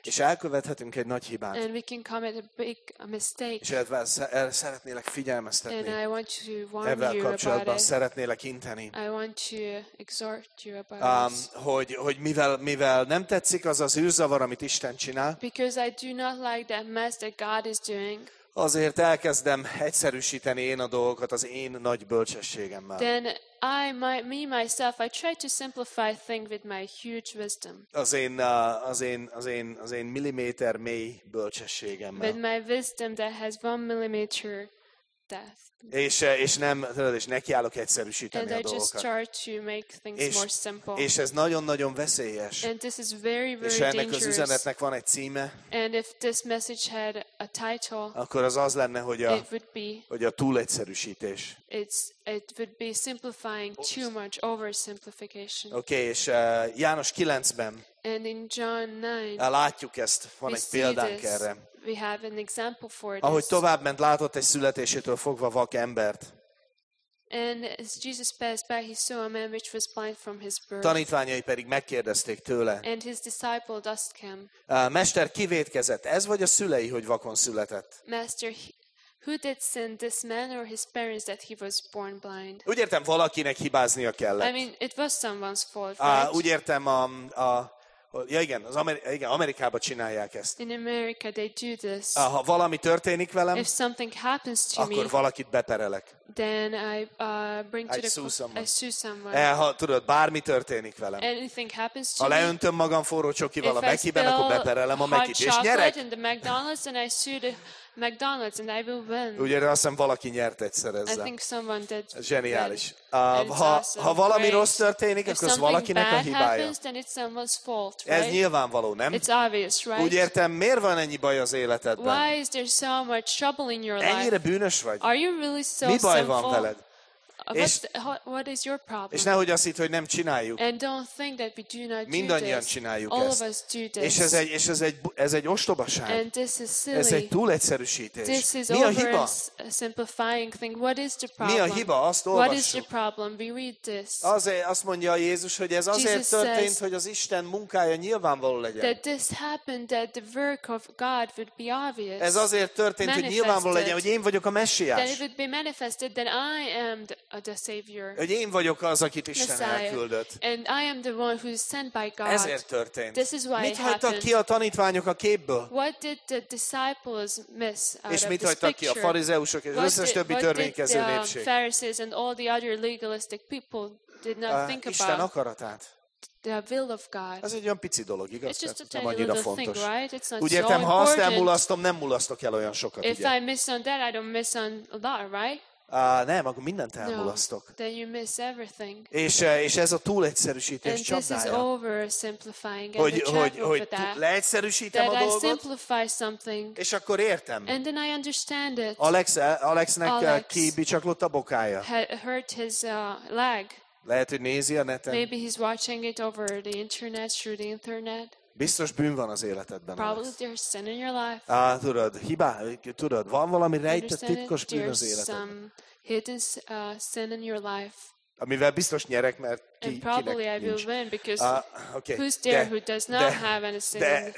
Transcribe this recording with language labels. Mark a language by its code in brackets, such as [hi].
[hu] És elkövethetünk egy nagy hibát. [en] And we can commit a big mistake. [hu] És ezzel szeretnélek figyelmeztetni. [en] And I want to warn you about [hu] kapcsolatban szeretnélek inteni. [en] I want to exhort you about [hu] hogy mivel nem tetszik az az űrzavar, amit Isten csinál. [en] Because I do not like that mess that God is doing. [hu] Azért elkezdem egyszerűsíteni én a dolgokat az én nagy bölcsességemmel. [en] Then myself, I try to simplify things with my huge wisdom. [hu] Az én milliméter mély bölcsességemmel. [en] With my wisdom that has one millimeter depth. [hu] És nem, tudod, és nekiállok egyszerűsíteni [en] and [hu] a dolgokat. [en] I just start to make things [hu] és, [en] more simple. [hu] És ez nagyon-nagyon veszélyes. [en] And this is very, very [hu] és ennek [en] dangerous. [hu] Az üzenetnek van egy címe. [en] And if this message had a title, [hu] akkor az lenne, hogy a, [en] it would be, [hu] hogy a túlegyszerűsítés. [en] It would be simplifying too much, oversimplification. [hu] Okay, és János 9-ben [en] and in John 9, [hu] látjuk ezt, van egy példánk [en] this. [hu] Erre. [en] We have an example for this. [hu] Ahogy tovább ment, látott egy születésétől fogva vak embert. [en] And as Jesus passed by, he saw a man which was blind from his birth. [hu] Tanítványai pedig megkérdezték tőle. [en] And his disciple asked him. [hu] Mester, ki vétkezett, ez vagy a szülei, hogy vakon született? [en] Master, who did sin, this man or his parents that he was born blind? [hu] Úgy értem, valakinek hibáznia kellett. [en] I mean, it was someone's fault, right? [hu] Úgy értem, ja, igen, igen, Amerikában csinálják ezt. [en] In America they do this. [hu] Ha valami történik velem, [en] if something happens to [hu] akkor [en] me, [hu] valakit beperelek. [en] Then I bring to I the sue someone. I sue someone. [hu] Ha tudod, bármi történik velem. [en] Anything happens to [hu] ha leöntöm magam forró csokival a Mekiben, akkor beperelem a Mekit, és nyerek. [en] In the McDonald's and I sue the McDonald's and I will win. [hu] Ugye, azt hiszem, valaki nyert egyszer ezzel. [en] I think someone did. [hu] Ez zseniális. Ha valami rossz történik, akkor az valakinek a hibája. [en] Happens, then it's someone's fault, right? [hu] Ez nyilvánvaló, nem? [en] It's obvious, right? [hu] Úgy értem, miért van ennyi baj az életedben? [en] Why is there so much trouble in your life? [hu] Ennyire bűnös vagy? [en] Are you really so [hu] mi baj van veled? [en] What is your problem? [hu] És nehogy azt hitt, hogy nem csináljuk. [en] And don't think that we do not do [hu] mindannyian [en] this. [hu] Csináljuk [en] all [hu] ezt. [en] Of us do this. [hu] És ez egy ostobaság. [en] And this is silly. [hu] Ez egy túlegyszerűsítés. [en] This is [hu] mi a hiba? [en] Simplifying thing. What is the problem? [hu] Mi a hiba? Azt olvassuk. [en] What is the problem? We read this. [hu] Azt mondja Jézus, hogy ez azért [en] Jesus [hu] történt, [en] says, [hu] hogy az Isten munkája nyilvánvaló legyen. [en] That this happened, that the work of God would be obvious. [hu] Ez azért történt, [en] manifested. [hu] Hogy nyilvánvaló legyen, hogy én vagyok a Messiás. [en] That it would be manifested that I am the [hu] hogy én vagyok az, akit Isten elküldött. [en] And I am the one who is sent by God. [hu] Ezért történt. [en] This is why [hu] mit hagytak ki a tanítványok a képből? [en] What did the disciples miss out [hu] és [en] of [hu] mit hagytak ki a farizeusok és [en] what [hu] összes [en] did, [hu] többi törvénykező népség? [en] What did the Pharisees and all the other legalistic people did not think [hu] Isten akaratát. [en] The will of God. [hu] Ez egy olyan pici dolog, igaz? [en] It's just a [hu] nem annyira fontos. [en] Thing, right? It's not [hu] úgy [en] so [hu] értem, [en] important. [hu] Ha azt elmulasztom, nem mulasztok el olyan sokat. [en] If [hu] ugye? [en] I miss on that, I don't miss on a lot, right? [hu] Nem, akkor mindent elmulasztok. [en] No, then you miss everything. [hu] És ez a túlegyszerűsítés csapdája. [en] And this is oversimplifying. [hu] Hogy leegyszerűsítem a dolgot. [en] That I simplify something. [hu] És akkor értem. [en] And then I understand it. [hu] Alexnek kibicsaklott a bokája. [en] Hurt his leg. [hu] Lehet, hogy nézi a neten. [en] Maybe he's watching it over the internet, through the internet. [hu] Biztos bűn van az életedben. [en] Probably there's sin in your life. [hu] Tudod, hiba, tudod, van valami rejtett titkos bűn az életedben. [en] There's some hidden sin in your life. [hu] amivel biztos nyerek, mert ki, [en] and probably [hu] kinek [en] I will [hu] nincs. [en] Win because okay. Who's there who does not [hu] de, [en] have anything?